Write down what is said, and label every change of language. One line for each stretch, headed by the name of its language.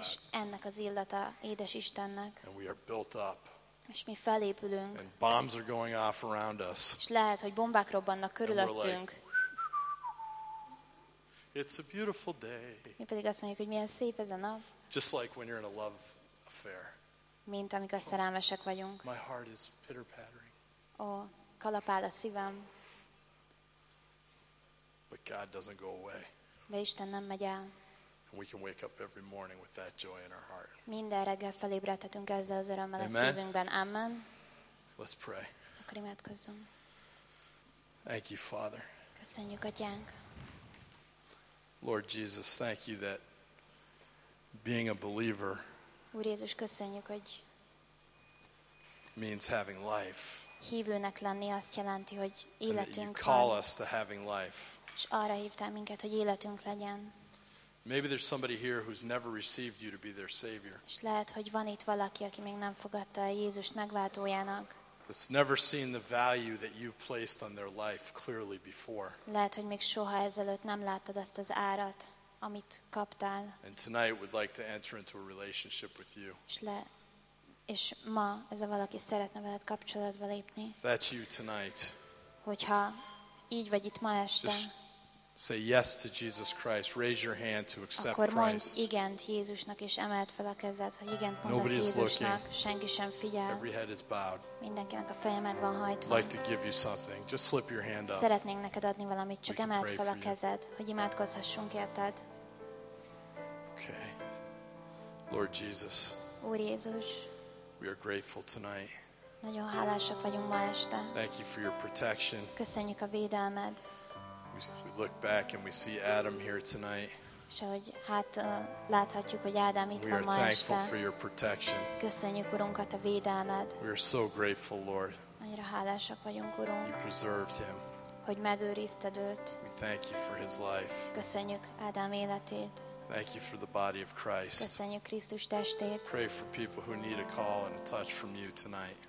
Hungarian: ennek az illata édes Istennek.
English: And we are built up.
Hungarian: És mi felépülünk.
English: And bombs are going off around us.
Hungarian: És lehet, hogy bombák robbannak körülöttünk.
English: Like, it's a beautiful day.
Hungarian: Mi pedig azt mondjuk, hogy milyen szép ez a nap.
English: Just like when you're in a love affair.
Hungarian: Mint amikor szerelmesek vagyunk.
English: My heart is pitter-pattering.
Hungarian: Oh, kalapál a szívem.
English: But God doesn't go away.
Hungarian: De Isten nem megy el.
English: And we can wake up every morning with that joy in our heart.
Hungarian: Minden reggel felébredhetünk ezzel az örömmel a szívünkben.
English: Amen. Let's pray.
Hungarian: Akkor imádkozzunk.
English: Thank you, Father.
Hungarian: Köszönjük, Atyánk.
English: Lord Jesus, thank you that being a believer,
Hungarian: Úr Jézus, köszönjük, hogy
English: means having life.
Hungarian: Hívőnek lenni azt jelenti, hogy életünk van.
English: Call us to having life.
Hungarian: És arra hívtál minket, hogy életünk legyen.
English: Maybe there's somebody here who's never received you to be their savior.
Hungarian: És lehet, hogy van itt valaki, aki még nem fogadta Jézust megváltójának.
English: That's never seen the value that you've placed on their life clearly before.
Hungarian: Lehet, hogy még soha ezelőtt nem láttad azt az árat, amit kaptál.
English: And tonight would like to enter into a relationship with you.
Hungarian: És ma ez a valaki szeretne veled kapcsolatba lépni.
English: That's you tonight.
Hungarian: Hogyha így vagy itt ma este.
English: Just Say yes to Jesus Christ. Raise your hand to accept Christ.
Hungarian: Akkor mondj igent Jézusnak, és emeld fel a kezed, hogy igent mondasz Jézusnak. Senki sem figyel.
English: Every head is bowed.
Hungarian: Mindenkinek a feje meg van hajtva.
English: I'd like to give you something. Just slip your hand up.
Hungarian: Szeretnénk neked adni valamit, csak emeld fel a kezed, hogy imádkozhassunk érted.
English: Okay. Lord Jesus.
Hungarian: Úr Jézus.
English: We are grateful tonight.
Hungarian: Nagyon hálásak vagyunk ma este.
English: Thank you for your protection.
Hungarian: Köszönjük a védelmed.
English: We look back and we see Adam here tonight.
Hungarian: És ahogy hát láthatjuk, hogy Ádám itt van ma este.
English: We are thankful for your protection.
Hungarian: Köszönjük, Urunkat, a védelmed.
English: We are so grateful, Lord.
Hungarian: Annyira hálásak vagyunk, Urunk.
English: You preserved him.
Hungarian: Hogy megőrizted őt.
English: We thank you for his life.
Hungarian: Köszönjük Ádám életét.
English: Thank you for the body of Christ.
Hungarian: Köszönjük Krisztus testét.
English: Pray for people who need a call and a touch from you tonight.